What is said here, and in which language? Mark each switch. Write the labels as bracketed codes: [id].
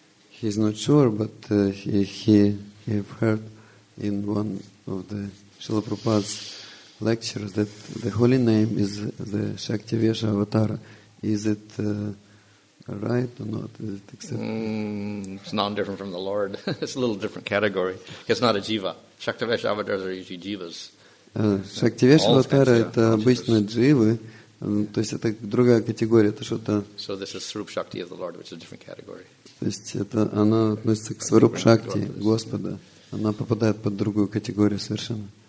[en] He's not sure, but he heard in one of the Srila Prabhupada's lectures that the holy name is the Shakti Vesha Avatara. Is it right or not? Is it accepted? It's not different from the Lord. It's a little different category. It's not a jiva. Shakti Vesha Avatars are usually jivas. [ru] Shakti Vesha Avatara – это обычно дживы. То есть это другая категория, это что-то. [en] So this is Srup Shakti of the Lord, which is a different category. [ru] То есть это она относится к Сваруп Шакти Господа. Она попадает под другую категорию совершенно.